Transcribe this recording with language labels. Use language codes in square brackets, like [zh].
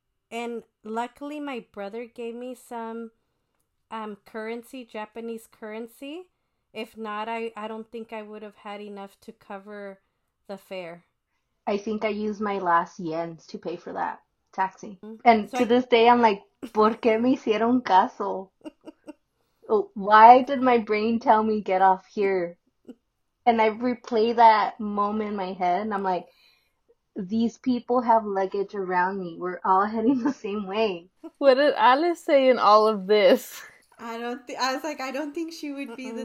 [en] And luckily, my brother gave me some currency, Japanese currency. If not, I don't think I would have had enough to cover the fare. I think I used my last yens to pay for that taxi. And to So this day, I'm like, [es] ¿por qué me hicieron caso? [en] Why did my brain tell me get off here? And I replay that moment in my head, and I'm like, these people have luggage around me. We're all heading the same way. what did Alice say in all of this? I was like, I don't think she would be the